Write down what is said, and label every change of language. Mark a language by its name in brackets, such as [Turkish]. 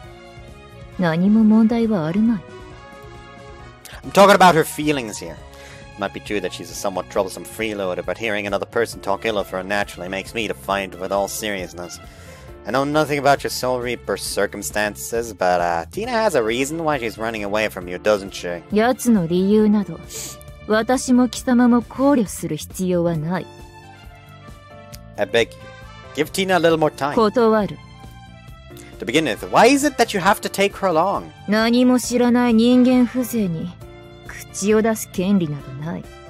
[Japanese] 奴は私が連れて行く。貴様は転がり込んできた居候を厄介払いできる。何も問題はあるまい。 [English] I'm talking about her feelings here. It might be true that she's a somewhat troublesome freeloader, but hearing another person talk ill of her naturally makes me defiant with all seriousness. I know nothing about your Soul Reaper circumstances, but Tina has a reason why she's running away from you, doesn't she? [Japanese] 奴の理由など、私も貴様も考慮する必要はない。 [English] I beg you, give Tina a little more time. [Japanese] 断る。 [English] To begin with, why is it that you have to take her along? [Japanese] 何も知らない人間風情に口を出す権利などない。